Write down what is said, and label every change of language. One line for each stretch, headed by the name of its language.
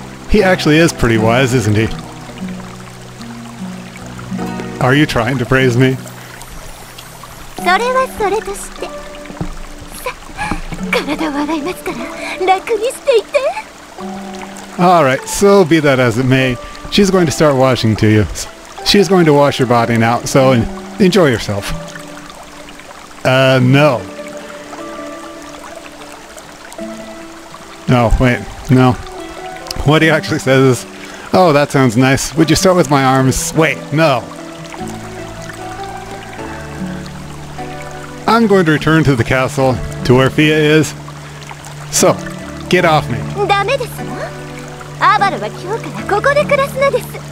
English: He actually is pretty wise, isn't he? Are you trying to praise me?
Japanese: それはそれとして。さあ、体を洗いますから、楽にしていて。
English: Alright, so be that as it may, she's going to start washing to you. She's going to wash your body now, so enjoy yourself. No. No, wait, no. What he actually says is, oh, that sounds nice. Would you start with my arms? Wait, no. I'm going to return to the castle, to where Fia is. So, get off me.
Japanese: ダメですよ。アバロは今日からここで暮らすのです。